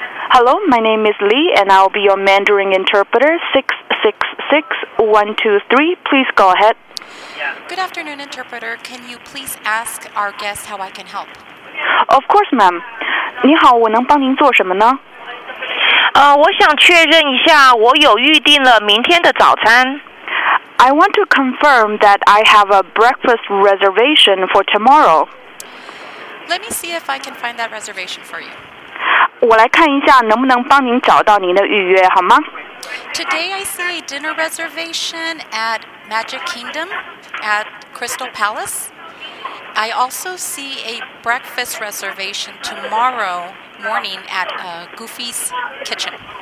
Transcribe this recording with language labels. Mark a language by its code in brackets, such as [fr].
[en] Hello, my name is Lee, and I'll be your Mandarin interpreter. 666-123. Please go ahead. Good afternoon, interpreter. Can you please ask our guest how I can help? Of course, ma'am. [zh] 你好，我能帮您做什么呢？我想确认一下，我有预定了明天的早餐。 [en] I want to confirm that I have a breakfast reservation for tomorrow. Let me see if I can find that reservation for you. [zh] 我来看一下能不能帮您找到您的预约，好吗？ [en] Today I see a dinner reservation at Magic Kingdom at Crystal Palace. I also see a breakfast reservation tomorrow morning at Goofy's Kitchen.